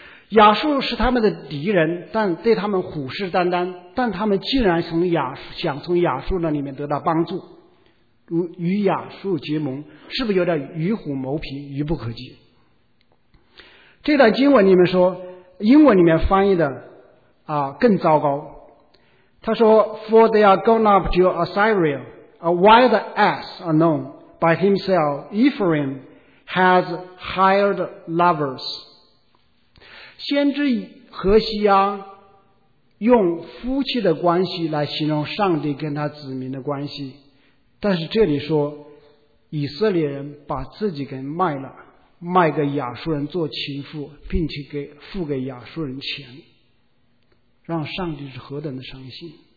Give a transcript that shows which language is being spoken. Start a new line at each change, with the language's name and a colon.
Chinese: 亚述是他们的敌人，但对他们虎视眈眈，但他们竟然想从亚述那里面得到帮助，与亚述结盟，是不是有点与虎谋皮，愚不可及？这段经文里面说，英文里面翻译的更糟糕。他说
English: For they are gone up to Assyria, a wild ass unknown by himself, Ephraim has hired lovers.
Chinese: 先知何西阿用夫妻的关系来形容上帝跟他子民的关系，但是这里说以色列人把自己给卖了，卖给亚述人做情妇，并且给付给亚述人钱，让上帝是何等的伤心。